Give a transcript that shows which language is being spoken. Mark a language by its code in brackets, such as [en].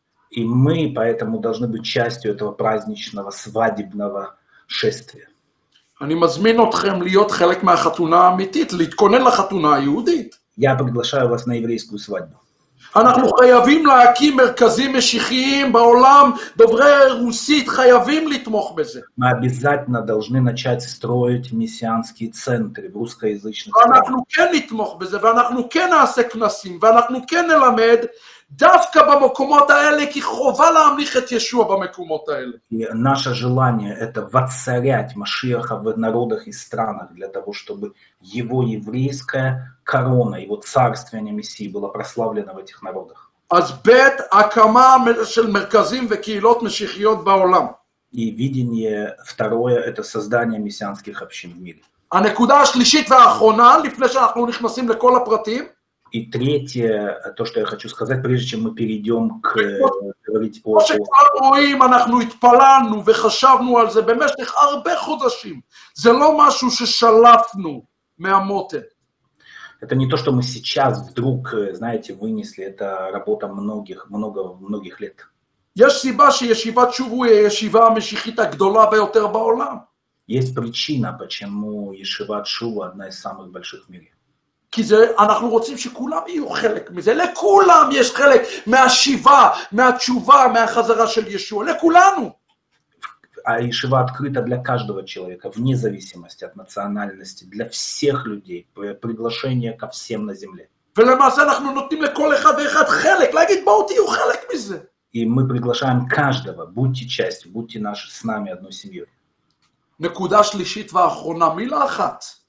[ru] И мы поэтому должны быть частью этого праздничного свадебного шествия. [he] אני מזמין אתכם להיות חלק מהחתונה האמיתית, להתכונן לחתונה היהודית. [ru] Я приглашаю вас на еврейскую свадьбу. [he] אנחנו חייבים להקים מרכזים משיחיים בעולם, דוברי רוסית חייבים לתמוך בזה. [ru] Мы обязательно должны начать строить мессианские центры в русскоязычных странах. [he] אנחנו כן נתמוך בזה, ואנחנו כן נעשה כנסים, ואנחנו כן נלמד דווקא במקומות האלה, כי חובה להמליך את ישוע במקומות האלה. [ru] Наше желание это воцарять Машиаха в народах и странах для того, чтобы его еврейская корона, его царствие на Мессии было прославлено в этих народах. [he] אז בית הקמה של מרכזים וקהילות משיחיות בעולם. [ru] И видение второе это создание мессианских общин в мире. [he] הנקודה השלישית והאחרונה, לפני שאנחנו נכנסים לכל הפרטים, [ru] И третье, то, что я хочу сказать, прежде чем мы перейдем к говорить о... [he] שקוראים, אנחנו התפללנו וחשבנו על זה במשך הרבה חודשים. זה לא משהו ששלפנו מהמותן. [ru] Это не то, что мы сейчас вдруг, знаете, вынесли. Это работа многих, много, многих лет. [he] יש סיבה שישיבת שובו היא הישיבה המשיחית הגדולה ביותר בעולם. [ru] Есть причина, почему ישיבת שובו одна из самых больших в мире. [he] כי זה, אנחנו רוצים שכולם יהיו חלק מזה, לכולם יש חלק מהשיבה, מהתשובה, מהחזרה של ישוע, לכולנו. [ru] הישיבה открыта для каждого человека, вне зависимости от национальности, для всех людей, приглашение ко всем на земле. [he] ולמעשה אנחנו נותנים לכל אחד ואחד חלק, להגיד בואו תהיו חלק מזה. [ru] И мы приглашаем каждого, будьте частью, будьте наши, с нами одной семьей. [he] נקודה שלישית ואחרונה, מילה אחת.